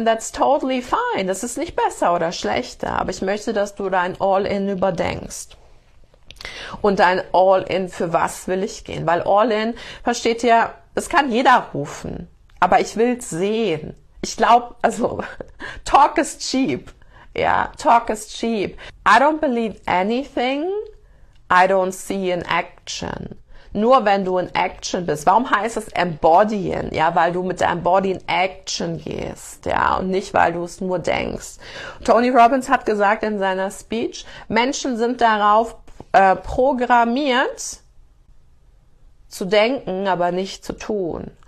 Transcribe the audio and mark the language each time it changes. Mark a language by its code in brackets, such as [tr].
[en] And that's totally fine. [de] Das ist nicht besser oder schlechter, aber ich möchte, dass du dein All-in überdenkst. Und dein All-in, für was will ich gehen? Weil All-in, versteht ihr, es kann jeder rufen, aber ich will's sehen. Ich glaube, also, [en] talk is cheap. Ja, talk is cheap. I don't believe anything I don't see in action. [de] Nur wenn du in Action bist. Warum heißt es embodying? Ja, weil du mit deinem Body in Action gehst, ja, und nicht, weil du es nur denkst. Tony Robbins hat gesagt in seiner Speech, Menschen sind darauf programmiert zu denken, aber nicht zu tun.